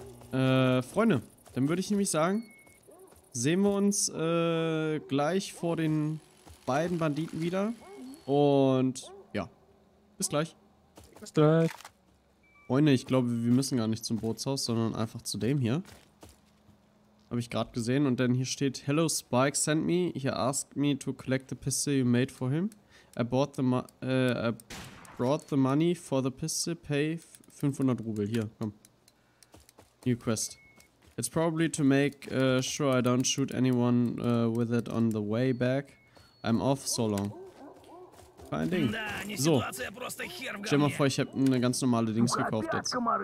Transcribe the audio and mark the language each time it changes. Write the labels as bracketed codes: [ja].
[de] Freunde, dann würde ich nämlich sagen, sehen wir uns gleich vor den beiden Banditen wieder. Und ja, bis gleich. Bis gleich. Freunde, ich glaube, wir müssen gar nicht zum Bootshaus, sondern einfach zu dem hier. Habe ich gerade gesehen und dann hier steht: [en] Hello Spike sent me. He asked me to collect the pistol you made for him. I brought the money for the pistol. Pay 500 Rubel. [de] Hier, komm. [en] New quest. It's probably to make sure I don't shoot anyone with it on the way back. I'm off so long. [de] Kein Ding. [en] So. [de] Stell dir mal vor, ich habe eine ganz normale Dings gekauft jetzt.